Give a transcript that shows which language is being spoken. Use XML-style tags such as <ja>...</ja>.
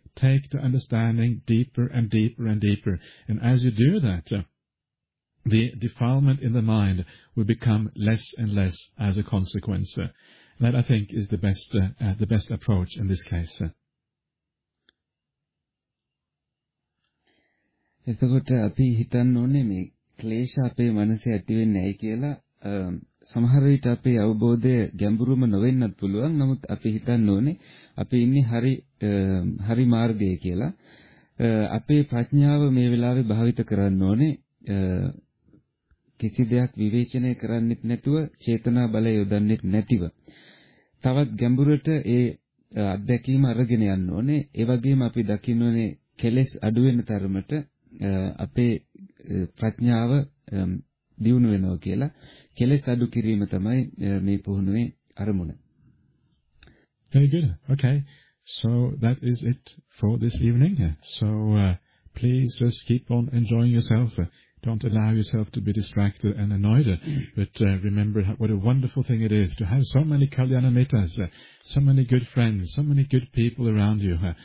<en>Take the understanding deeper and deeper and deeper. And as you do that, the defilement in the mind will become less and less as a consequence. That, I think, is the best approach in this case.</en> <si>එතකොට අපි හිතන්න ඕනේ මේ ක්ලේශ අපේ මනසේ ඇති වෙන්නේ ඇයි කියලා. සමහර විට අපේ අවබෝධය ගැඹුරුම නොවෙන්නත් පුළුවන්. නමුත් අපි හිතන්න ඕනේ අපි ඉන්නේ හරි මාර්ගයේ කියලා. අපේ ප්‍රඥාව මේ වෙලාවේ භාවිත කරන්න ඕනේ. කිසි දෙයක් විවේචනය කරන්නෙත් නැතුව, චේතනා බලය යොදන්නෙත් නැතිව තවත් ගැඹුරට ඒ අත්දැකීම අරගෙන යන්න ඕනේ. ඒ වගේම අපි දකින්න ඕනේ කෙලෙස් අඩු වෙන තරමට අපේ ප්‍රඥාව දියුණු වෙනවා කියලා. කෙලෙස් අඩු කිරීම තමයි මේ පුහුණුවේ අරමුණ.</si> <en>Very good. Okay. So that is it for this evening. So please just keep on enjoying yourself. Don't allow yourself to be distracted and annoyed, but remember what a wonderful thing it is to have so many Kalyanamitas, so many good friends, so many good people around you.</en>